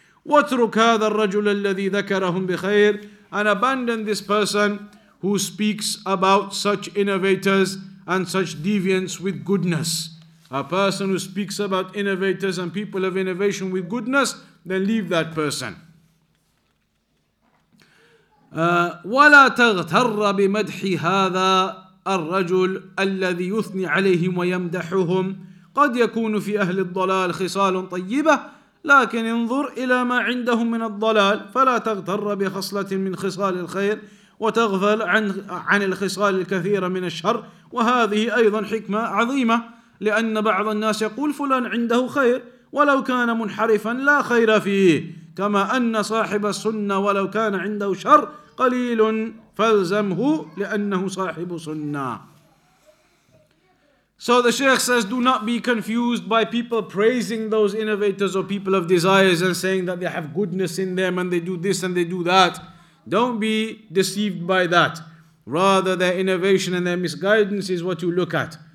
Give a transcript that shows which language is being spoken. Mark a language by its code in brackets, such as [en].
[ar] وَاتْرُكْ هَذَا الرَّجُلَ الَّذِي ذَكَرَهُمْ بِخَيْرِ. [en] And abandon this person who speaks about such innovators and such deviants with goodness. A person who speaks about innovators and people of innovation with goodness, then leave that person. [ar] وَلَا تَغْتَرَّ بِمَدْحِ هَذَا الرَّجُلَ الَّذِي يُثْنِي عَلَيْهِمْ وَيَمْدَحُهُمْ قَدْ يَكُونُ فِي أَهْلِ الضَّلَالِ خِصَالٌ طَيِّبَةٌ لكن انظر إلى ما عندهم من الضلال فلا تغتر بخصلة من خصال الخير وتغفل عن الخصال الكثيرة من الشر. وهذه أيضا حكمة عظيمة، لأن بعض الناس يقول فلان عنده خير ولو كان منحرفا لا خير فيه، كما أن صاحب السنة ولو كان عنده شر قليل فالزمه لأنه صاحب سنة. [en] So the Shaykh says, do not be confused by people praising those innovators or people of desires and saying that they have goodness in them and they do this and they do that. Don't be deceived by that. Rather, their innovation and their misguidance is what you look at.